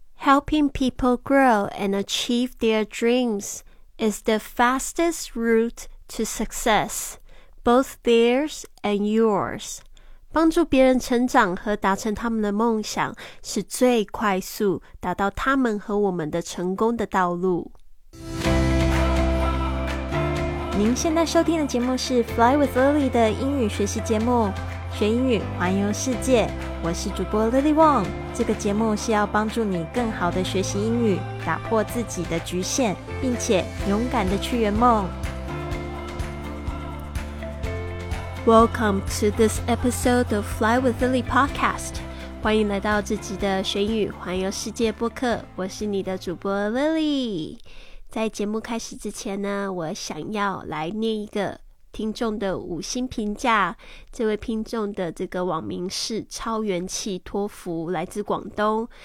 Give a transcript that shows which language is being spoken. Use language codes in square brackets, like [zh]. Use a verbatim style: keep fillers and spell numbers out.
[en] Helping people grow and achieve their dreams is the fastest route to success, both theirs and yours. [zh] 帮助别人成长和达成他们的梦想，是最快速达到他们和我们的成功的道路。您现在收听的节目是 Fly with Lily 的英语学习节目，学英语环游世界。我是主播 Lily Wong。这个节目是要帮助你更好的学习英语，打破自己的局限，并且勇敢的去圆梦。 [en] Welcome to this episode of Fly with Lily podcast. [zh] 欢迎来到这集的学英语环游世界播客，我是你的主播 Lily。在节目开始之前呢，我想要来念一个听众的五星评价。这位听众的这个网名是超元气托福，来自广东。